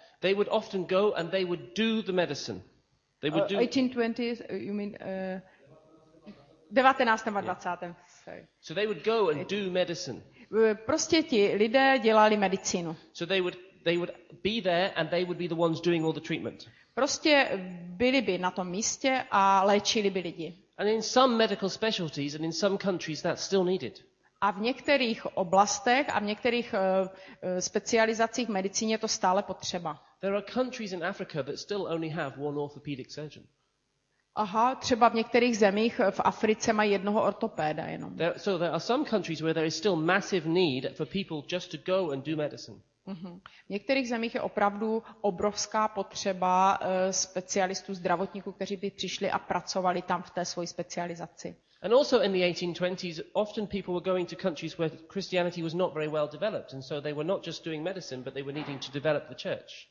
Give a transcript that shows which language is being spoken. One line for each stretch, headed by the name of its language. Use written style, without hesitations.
English: they would often go and they would do the medicine. They would do 1820s, you mean 1920. So they would go and do medicine.
Czech: Prostě ti lidé dělali medicínu.
English: So they would be there and they would be the ones doing all the treatment.
Czech: Prostě byli by na tom místě a léčili by lidi.
English: And in some medical specialties and in some countries that's still needed.
Czech: A v některých oblastech a v některých specializacích medicíně to stále potřeba.
English: There are countries in Africa that still only have one orthopedic surgeon.
Czech: Aha, třeba v některých zemích v Africe mají jednoho ortopéda jenom.
English: So there are some countries where there is still massive need for people just to go and do medicine.
Czech: V některých zemích je opravdu obrovská potřeba specialistů, zdravotníků, kteří by přišli a pracovali tam v té své specializaci.
English: And also in the 1820s, often people were going to countries where Christianity was not very well developed, and so they were not just doing medicine, but they were needing to develop the church.